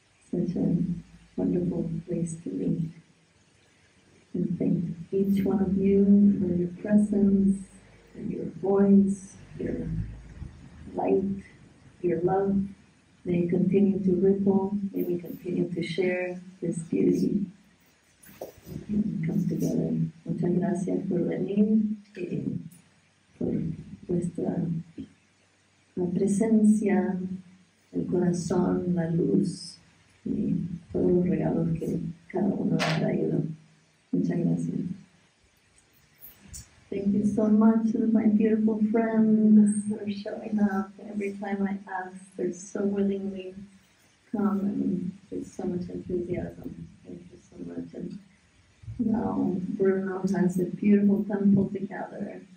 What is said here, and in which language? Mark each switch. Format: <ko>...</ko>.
<en>Such a wonderful place to meet. And thank each one of you for your presence and your voice, your light, your love. May it continue to ripple, may we continue to share this beauty and come together.</en> <es>Muchas gracias por venir y por vuestra la presencia, el corazón, la luz y todos los regalos que cada uno ha traído. Muchas gracias.</es> <en>Thank you so much to my beautiful friends for showing up every time I ask. They're so willingly come and there's so much enthusiasm. Thank you so much. And now Bruno has a beautiful temple together.</en>